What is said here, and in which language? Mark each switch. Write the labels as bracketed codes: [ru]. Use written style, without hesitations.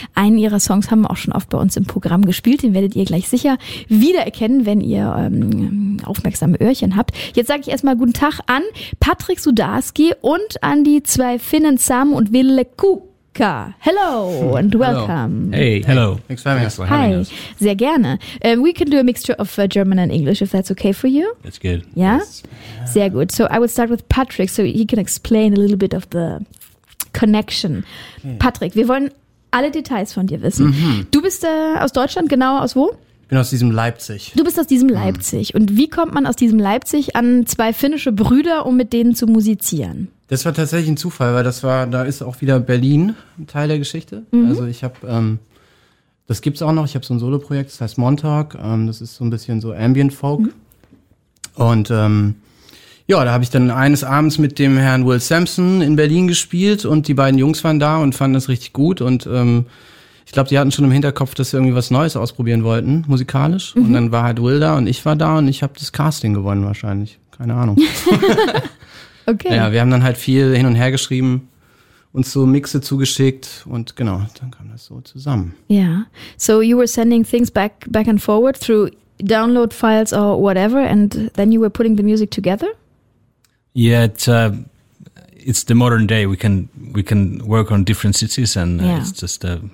[de] Einen ihrer Songs haben wir auch schon oft bei uns im Programm gespielt. Den werdet ihr gleich sicher wiedererkennen, wenn ihr aufmerksame Öhrchen habt. Jetzt sage ich erstmal guten Tag an Patrick Sudarski und an die zwei Finnen Sam und Wille Kuh. [en] Hello and welcome. Hello. Hey, hello. Thanks for having us. [de] Hi, sehr gerne. [en] We can do a mixture of German and English if that's okay for you. That's good. Yeah? Yes. Sehr gut. So I would start with Patrick so he can explain a little bit of the connection. Okay. [de] Patrick, wir wollen alle Details von dir wissen. Mhm. Du bist aus Deutschland, genau aus wo? Ich bin aus diesem Leipzig. Du bist aus diesem Leipzig. Und wie kommt man aus diesem Leipzig an zwei finnische Brüder, um mit denen zu musizieren? Das war tatsächlich ein Zufall, weil da ist auch wieder Berlin ein Teil der Geschichte. Mhm. Also ich habe, das gibt's auch noch, ich habe so ein Soloprojekt, das heißt Montauk. Das ist so ein bisschen so Ambient Folk. Mhm. Und da habe ich dann eines Abends mit dem Herrn Will Sampson in Berlin gespielt und die beiden Jungs waren da und fanden das richtig gut und ich glaube, die hatten schon im Hinterkopf, dass sie irgendwie was Neues ausprobieren wollten, musikalisch. Mhm. Und dann war halt Will da und ich war da und ich habe das Casting gewonnen wahrscheinlich. Keine Ahnung. Okay. Ja, wir haben dann halt viel hin und her geschrieben, uns so Mixe zugeschickt und genau, dann kam das so zusammen. Ja, yeah. [en] So you were sending things back and forward through download files or whatever and then you were putting the music together? Yeah, it's the modern day. We can work on different cities and it's just...